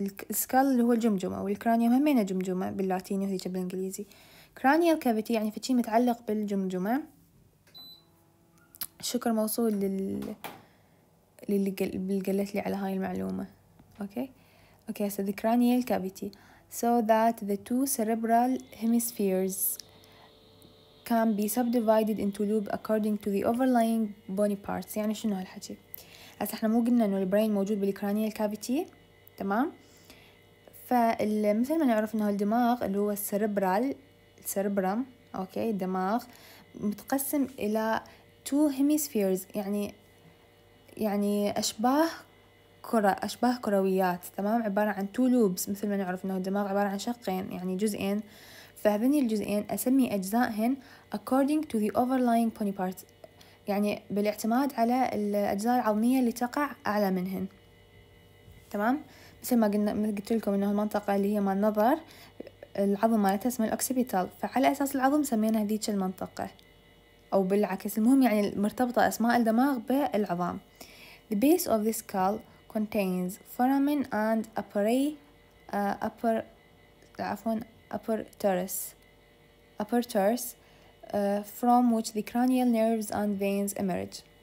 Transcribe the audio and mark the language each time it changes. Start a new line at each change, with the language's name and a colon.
Arabic: السكال اللي هو الجمجمة والكرانيوم همينة جمجمة باللاتيني وهذه بالانجليزي. cranial cavity يعني فشي متعلق بالجمجمة. شكر موصول اللي قلت لي على هاي المعلومة.
English: Okay, so the cranial cavity, so that the two cerebral hemispheres can be subdivided into loop according to the overlying bony parts.
Arabic: يعني شنو هالحكي؟ هسه احنا مو قلنا انه البرين موجود بالكرانيال كافيتي، تمام؟ فمثل ما نعرف انه الدماغ اللي هو السيربرال السيربرم، اوكي، الدماغ متقسم الى تو هيميسفيرز، يعني اشباه كره، اشباه كرويات، تمام، عباره عن تو لوبس. مثل ما نعرف انه الدماغ عباره عن شقين، يعني جزئين، فهذني الجزئين اسمي اجزائهن
English: according to the overlying bony parts،
Arabic: يعني بالاعتماد على الاجزاء العظميه اللي تقع اعلى منهن، تمام. مثل ما قلنا، قلت لكم انه المنطقه اللي هي مال النظر العظم مالتها اسمها الاوكسيبيتال، فعلى اساس العظم سمينا هذيك المنطقه، او بالعكس. المهم يعني مرتبطه اسماء الدماغ بالعظام.
English: The base of the skull contains foramen and apertures from which the cranial nerves and veins emerge.